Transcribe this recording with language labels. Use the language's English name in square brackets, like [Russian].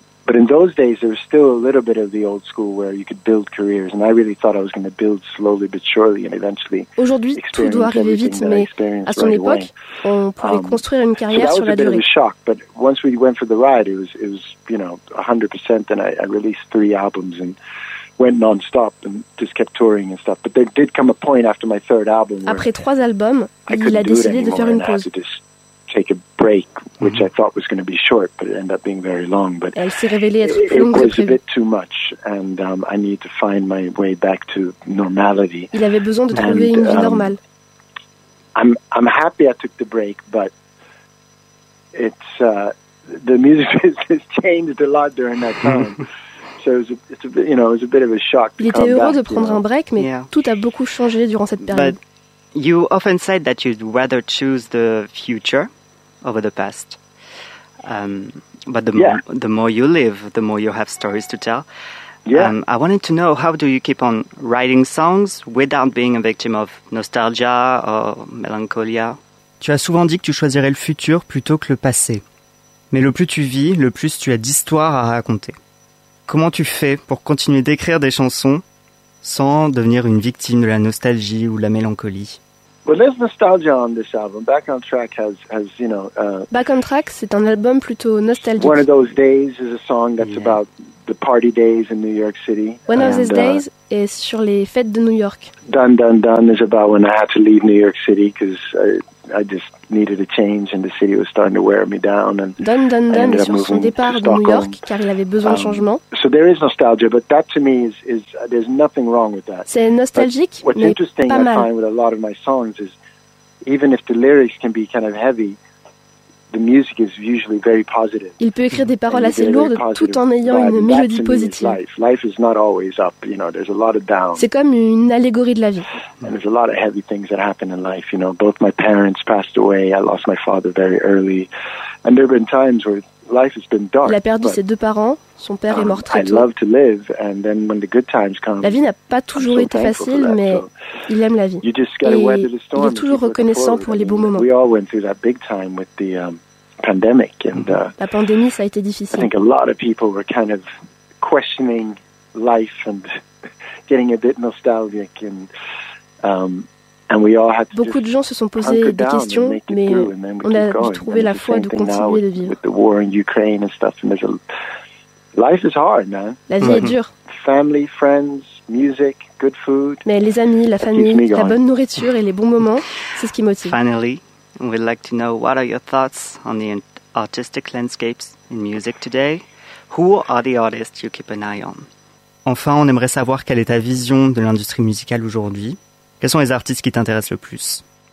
[English] But in those days, there was still a little bit of the old school where you could build careers, and I really thought I was going to build slowly but surely and eventually. [French] Aujourd'hui, tout doit arriver vite, mais à son époque, on pouvait construire une carrière sur la durée. [English] So that was a bit of a shock. But once we went for the ride, it was you know 100%, and I released 3 albums and went nonstop and just kept touring and stuff. But there did come a point after my third album. [French] Après 3 albums, il a décidé de faire une pause. [English] Take a break, which I thought was going to be short, but it ended up being very long. But [French] elle s'est révélée être plus longue que prévu. [English] It was a bit too much, and I need to find my way back to normality. [French] Il avait besoin de trouver une vie normale. [English] I'm happy I took the break, but it's the music has changed a lot during that time. So it was a bit of a shock. [French] Il était heureux de prendre un break, mais tout a beaucoup changé durant cette période. [English] You often said that you'd rather choose the future over the past. The more you live, the more you have stories to tell. Yeah. I wanted to know, how do you keep on writing songs without being a victim of nostalgia or melancholia? [French] Tu as souvent dit que tu choisirais le futur plutôt que le passé. Mais le plus tu vis, le plus tu as d'histoires à raconter. Comment tu fais pour continuer d'écrire des chansons sans devenir une victime de la nostalgie ou de la mélancolie? [English] Well, there's nostalgia on this album. Back on Track has you know. [French] Back on Track, c'est un album plutôt nostalgique. [English] One of Those Days is a song that's about the party days in New York City. [French] One of Those Days est sur les fêtes de New York. [English] Dun Dun Dun is about when I had to leave New York City because I just needed a change and the city was starting to wear me down. And [French] Dun Dun Dun est sur son départ de New York car il avait besoin de changement. [English] So there is nostalgia, but that to me is there's nothing wrong with that. [French] C'est nostalgique, [English] but what's [French] mais [English] interesting [French] pas mal. [English] I find with a lot of my songs is even if the lyrics can be kind of heavy, the music is usually very positive. [French] Il peut écrire des paroles assez lourdes tout en ayant une mélodie positive. [English] Life is not always up, you know, there's a lot of down. [French] C'est comme une allégorie de la vie. [English] And there's a lot of heavy things that happen in life, you know, both my parents passed away, I lost my father very early. And there've been times where life has been dark. [French] Il a perdu ses deux parents, son père est mort très tôt. [English] I love to live and then when the good times come. [French] La vie n'a pas toujours été facile, mais il aime la vie. [English] You just gotta weather the storm. [French] Il est toujours reconnaissant pour les bons moments. [English] We all went through that big time with the pandemic and [French] la pandémie, ça a été difficile. [English] I think a lot of people were kind of questioning life and getting a bit nostalgic and and we all had to [French] beaucoup de gens se sont posé des questions, mais on a dû trouver la foi de continuer de vivre. [English] With the war in Ukraine and stuff, and life is hard, man. [French] La vie est dure. [English] Family, friends, music, good food. [French] Mais les amis, la famille, la bonne nourriture et les bons moments, c'est ce qui motive. [English] Finally, we'd like to know what are your thoughts on the artistic landscapes in music today. Who are the artists you keep an eye on? [French] Enfin, on aimerait savoir quelle est ta vision de l'industrie musicale aujourd'hui. Quels sont les artistes qui t'intéressent le plus?